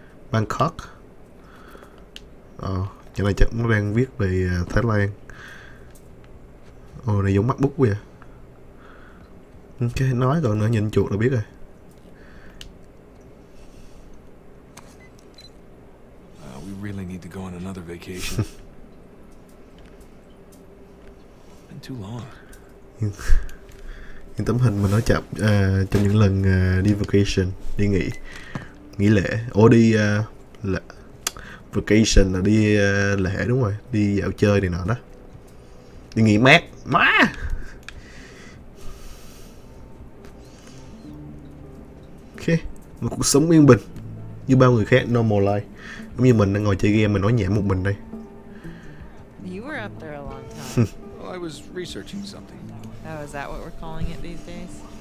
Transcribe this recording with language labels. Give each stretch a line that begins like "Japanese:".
English: Bangkok.
Vietnamese: Chỗ này chắc nó đang viết về Thái Lan. Ồ, này giống mắt bút quá vậy. Cái nói còn nữa, nhìn chuột là biết rồi.
English: We really need to go on another vacation. Been too long.
Vietnamese: Những tấm hình mà nó chụp trong những lần đi vacation, đi nghỉ, nghỉ lễ. Ồ, đi là vacation là đi lễ đúng rồi, đi dạo chơi này nọ đó. Đi nghỉ mát. Má. Ok, một cuộc sống yên bình như bao người khác,
English: normal life.
Vietnamese: Giống như mình đang ngồi chơi game mình nói nhẹ một mình đây.
English: You were up there a long time. Well, I was researching something. Oh, is that what we're calling it these days?